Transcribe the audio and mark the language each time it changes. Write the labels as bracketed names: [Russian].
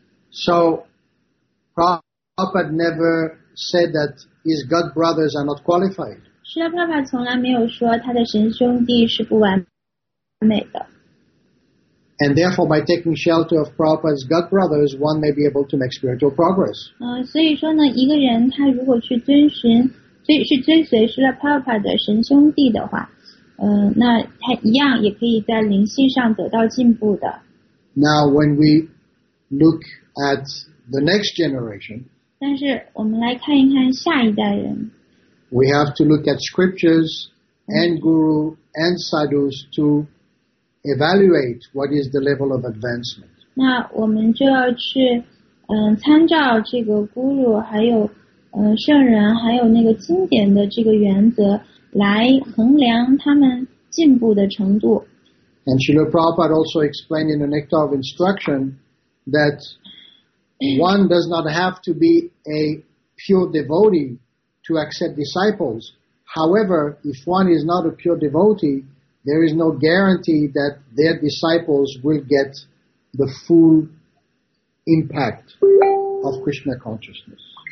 [English] So, Prabhupada never said that his god brothers are not qualified. [Chinese] 释迦牟尼佛从来没有说他的神兄弟是不完美的。 [English] And therefore, by taking shelter of Prabhupada's god brothers, one may be able to make spiritual progress. [Chinese] 所以说呢，一个人他如果去追随是了 Prabhupada 的神兄弟的话，那他一样也可以在灵性上得到进步的。 [English] Now, when we look at the next generation, [Chinese] 但是我们来看一看下一代人。 [English] We have to look at scriptures and guru and sadhus to. Evaluate what is the level of advancement. [Chinese] 那我们就要去，参照这个 guru， 还有，圣人，还有那个经典的这个原则，来衡量他们进步的程度。 [English] And Śrīla Prabhupāda also explained in the Nectar of Instruction that one does not have to be a pure devotee to accept disciples. However, if one is not a pure devotee, there is no guarantee that their disciples will get the full impact of Krishna consciousness.